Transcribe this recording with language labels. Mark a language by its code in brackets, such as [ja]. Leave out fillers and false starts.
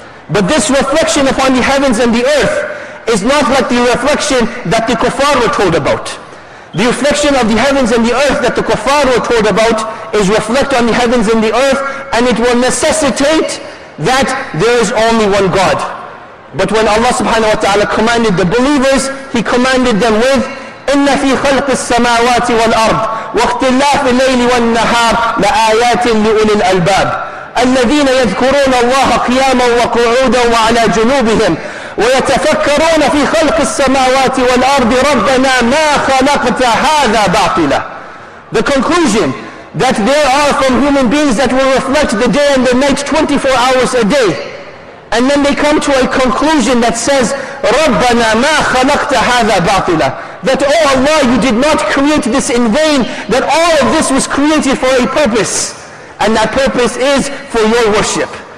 [en] But this reflection upon the heavens and the earth is not like the reflection that the kuffar were told about. The reflection of the heavens and the earth that the kuffar were told about is reflect on the heavens and the earth, and it will necessitate that there is only one God. But when Allah subhanahu wa ta'ala commanded the believers, He commanded them with, [ar] إِنَّ فِي خَلْقِ السَّمَاوَاتِ وَالْأَرْضِ وَاخْتِلَّافِ اللَّيْلِ وَالنَّهَارِ لَآيَاتٍ لِأُولِي الْأَلْبَابِ الذين يذكرون الله قياما وقعودا وعلى جنوبهم ويتفكرون في خلق السماوات والأرض ربنا ما خلقت هذا باطلا. [en] The conclusion that there are from human beings that will reflect the day and the night 24 hours a day, and then they come to a conclusion that says [ar] ربنا ما خلقت هذا باطلا, [en] that oh Allah, you did not create this in vain, that all of this was created for a purpose, and that purpose is for your worship.